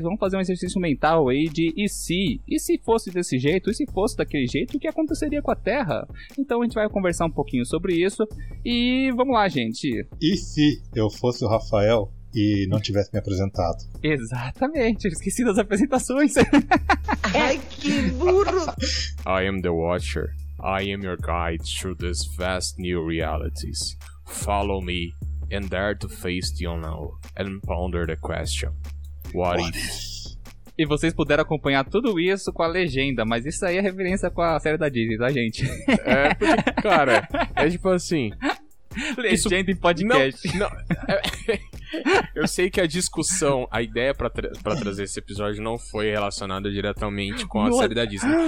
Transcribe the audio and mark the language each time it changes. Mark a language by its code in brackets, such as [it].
[pt] Vamos fazer um exercício mental aí de e se? E se fosse desse jeito? E se fosse daquele jeito? O que aconteceria com a Terra? Então a gente vai conversar um pouquinho sobre isso. E vamos lá, gente. E se eu fosse o Rafael e não tivesse me apresentado? Exatamente. Eu esqueci das apresentações. Ai, que burro! [en] I am the Watcher. I am your guide through these vast new realities. Follow me and dare to face the unknown and ponder the question. What if? [pt] E vocês puderam acompanhar tudo isso com a legenda, mas isso aí é referência com a série da Disney, tá, gente? É, porque, cara, é tipo assim... Legenda isso... em podcast. Não, não. Eu sei que a discussão, a ideia pra trazer esse episódio não foi relacionada diretamente com a série da Disney.